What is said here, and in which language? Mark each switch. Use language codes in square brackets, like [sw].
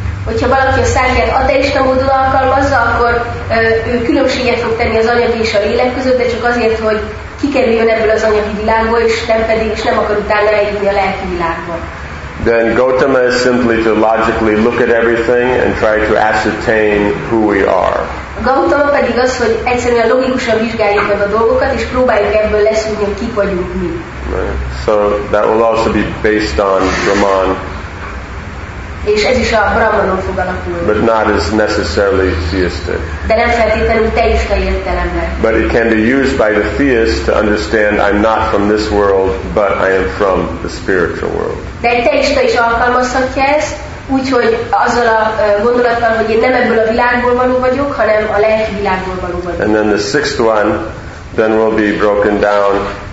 [hu] Hogyha valaki a szánkját ateista módon alkalmazza, akkor ő különbséget fog tenni az anyagi és a lélek között, de csak azért, hogy kikerüljön ebből az anyagi világból, és nem akar utána eljutni a lelki világba. [en] Then Gautama is simply to logically look at everything and try to ascertain who we are. [hu] Gautama pedig az, hogy egyszerűen logikusan vizsgáljuk meg a dolgokat, és próbáljuk ebből leszűrni, hogy kik vagyunk mi. [en] Right. So that will also be based on Brahman. [hu] És ez is a Brahmanon fog alakulni. [en] But not as necessarily theistic. [hu] De nem feltétlenül teista értelemben. [en] But it can be used by the theist to understand I'm not from this world, but I am from the spiritual world. [hu] De egy teista is alkalmazhatja ezt, úgyhogy azzal a gondolattal, hogy én nem ebből a világból való vagyok, hanem a lelki világból való vagyok. [en] And then the sixth one, then will be broken down.